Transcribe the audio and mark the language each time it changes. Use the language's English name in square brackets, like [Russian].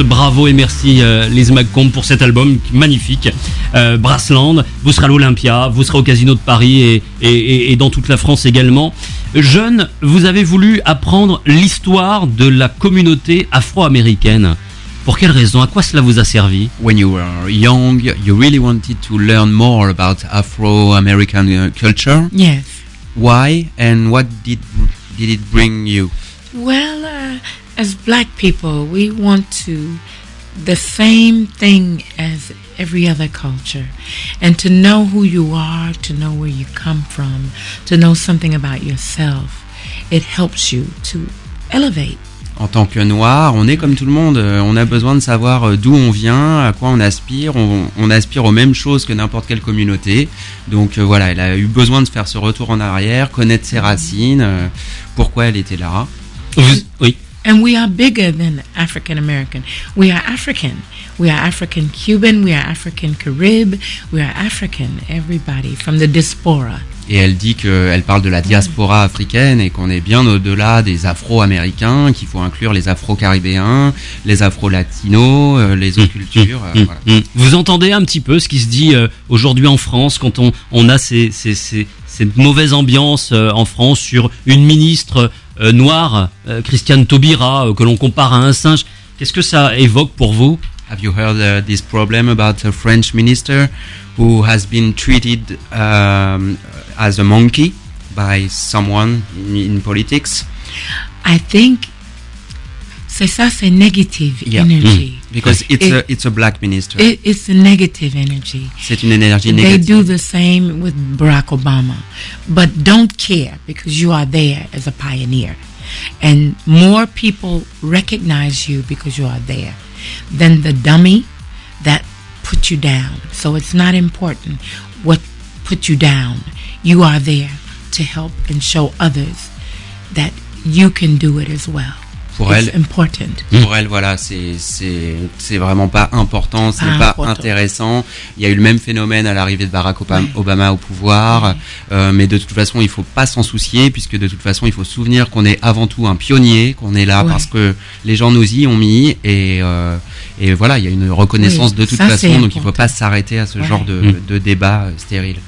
[French] Bravo et merci Liz McComb pour cet album magnifique. Brassland, vous serez à l'Olympia, vous serez au Casino de Paris et dans toute la France également. Jeune, vous avez voulu apprendre l'histoire de la communauté afro-américaine. Pour quelle raison? À quoi cela vous a servi? [English] When you were young, you really wanted to learn more about Afro-American culture. Yes. Why and what did it bring you? Well, as black people, we want to the same thing as every other culture. And to know who you are, to know where you come from, to know something about yourself, it helps you to elevate. [French] En tant que noir, on est comme tout le monde. On a besoin de savoir d'où on vient, à quoi on aspire. On aspire aux mêmes choses que n'importe quelle communauté. Donc voilà, elle a eu besoin de faire ce retour en arrière, connaître ses racines, pourquoi elle était là. Oui. [English] And we are bigger than African American. We are African. We are African Cuban. We are African Carib. We are African. Everybody from the diaspora. [French] Et elle dit que elle parle de la diaspora africaine et qu'on est bien au-delà des Afro-Américains, qu'il faut inclure les Afro-Caribéens, les Afro-Latinos, les autres cultures. Voilà. Vous entendez un petit peu ce qui se dit aujourd'hui en France quand on a cette mauvaise ambiance en France sur une ministre noire, Christiane Taubira, que l'on compare à un singe. Qu'est-ce que ça évoque pour vous? [English] Have you heard this problem about a French minister who has been treated as a monkey by someone in politics? I think [French] c'est ça, c'est [English] negative energy. Because it's a black minister. It's a negative energy. [French] C'est une énergie négative. [English] They do the same with Barack Obama, but don't care because you are there as a pioneer, and more people recognize you because you are there than the dummy that put you down. So it's not important what put you down. You are there to help and show others that you can do it as well. [French] Pour elle, voilà, c'est vraiment pas important, c'est pas intéressant. Il y a eu le même phénomène à l'arrivée de Barack Obama au pouvoir, mais de toute façon, il faut pas s'en soucier, puisque de toute façon, il faut se souvenir qu'on est avant tout un pionnier, qu'on est là parce que les gens nous y ont mis, et voilà, il y a une reconnaissance de toute façon, donc il faut pas s'arrêter à ce genre de débat stérile.